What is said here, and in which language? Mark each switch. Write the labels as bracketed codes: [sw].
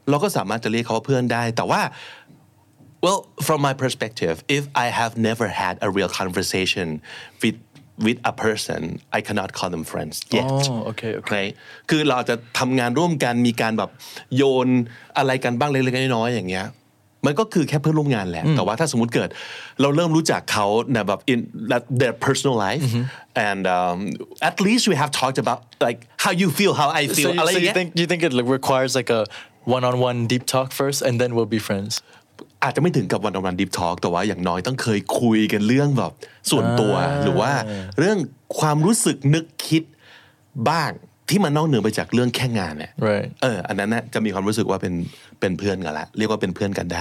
[th] เราก็สามารถจะเรียกเขาว่าเพื่อนได้แต่ว่า [en] well from my perspective if I have never had a real conversation with a person I cannot call them friends yet oh, okay, okay. Right? [th] คือเราจะทำงานร่วมกันมีการแบบโยนอะไรกันบ้างเล็กๆน้อยๆอย่างเงี้ยมันก็คือแค่เพื่อนร่วมงานแหละแต่ว่าถ้าสมมุติเกิดเราเริ่มรู้จักเขาในแบบ [en] in their personal life mm-hmm. and at least we have talked about like how you feel how I feel so you think it requires like a one on one deep talk first and then we'll be friends [th] อาจจะไม่ถึงกับ [en] one on one deep talk [th] แต่ว่าอย่างน้อยต้องเคยคุยกันเรื่องแบบส่วนตัวหรือว่าเรื่องความรู้สึกนึกคิดบ้างที่มันนอกเหนือไปจากเรื่องแค่งานเนี่ ย [en] right. [th] อันนั้นนะจะมีความรู้สึกว่าเป็นเพื่อนกันละเรียกว่าเป็นเพื่อนกันได